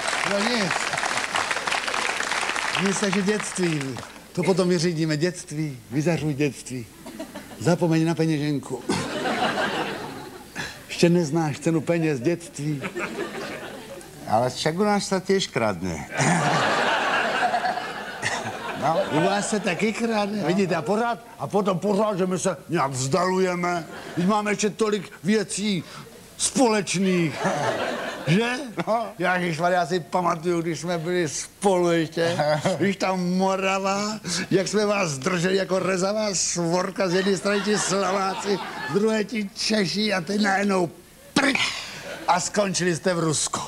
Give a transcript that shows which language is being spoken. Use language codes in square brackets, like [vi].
[cs] No nic. Myslím, že dětství. To potom vyřídíme, dětství, vyzařuj dětství, zapomeň na peněženku. Ještě neznáš cenu peněz, dětství. [sk] Ale však u nás se tiež kradne. [cs] No. U vás se taky kradne, no. Vidíte, a potom pořád, že my se nějak vzdalujeme. Když máme ještě tolik věcí společných, že? No. Já si pamatuju, když jsme byli spolu ještě, když tam Morava, jak jsme vás drželi jako rezavá svorka, z jedné strany ti Slováci, z druhé ti Češi a teď najednou prk a skončili jste v Rusku.